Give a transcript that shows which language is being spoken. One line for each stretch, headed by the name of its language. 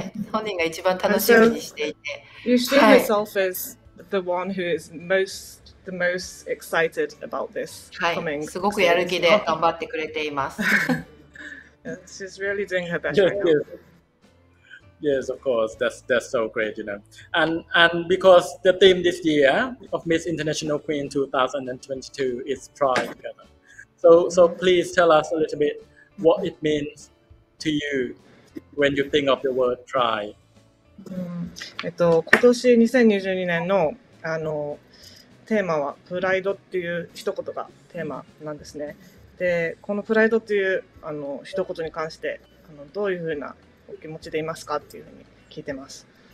Japanese: 本人が一番楽しみですね。本人が一番楽しみにしていて。
English: Yuxin herself is the one who is the most excited about this coming.
Japanese: すごくやる気で頑張ってくれています。
English: She's really doing her best. Yes, of course. That's so great, you know. And because the theme this year of Miss International Queen 2022 is Pride Together. So please tell us a little bit what it means to you when you think of the word try.
Japanese: 今年2022年 の, あのテーマはプライドっていう一言がテーマなんですね。で、このプライドっていうあの一言に関してあのどういうふうなお気持ちでいますかっていうふうに聞いてます。